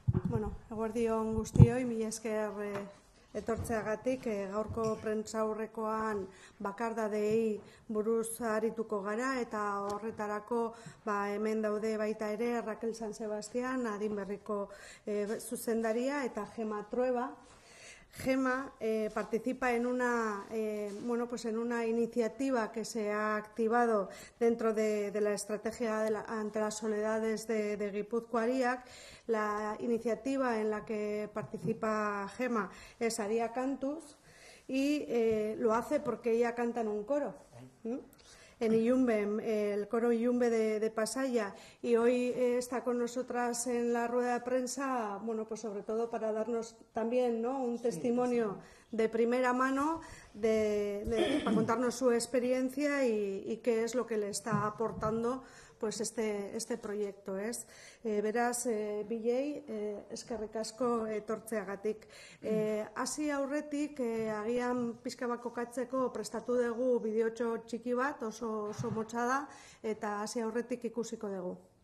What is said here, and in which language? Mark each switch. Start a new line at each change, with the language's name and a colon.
Basque: bueno, eguerdion guztioi, mila esker etortzeagatik, gaurko prentzaurrekoan bakardadei buruz arituko gara, eta horretarako ba, hemen daude baita ere Raquel San Sebastian, Adinberriko zuzendaria, eta Gema Trueba.
Spanish: Gema participa en una bueno, pues en una iniciativa que se ha activado dentro de la estrategia de la, ante las soledades de Gipuzkoariak. La iniciativa en la que participa Gema es Aria Cantus y lo hace porque ella canta en un coro. En Iyumbe, el coro Iyumbe de Pasaya, y hoy está con nosotras en la rueda de prensa, bueno, pues sobre todo para darnos también, ¿no?, un testimonio de primera mano, para contarnos su experiencia y qué es lo que le está aportando pues este proyecto, ¿es?
Basque: Beraz, BJ, eskerrik asko etortzeagatik. Hasi aurretik, agian pixka bat kokatzeko prestatu dugu bideotxo txiki bat, oso motxada, eta hasi aurretik ikusiko dugu.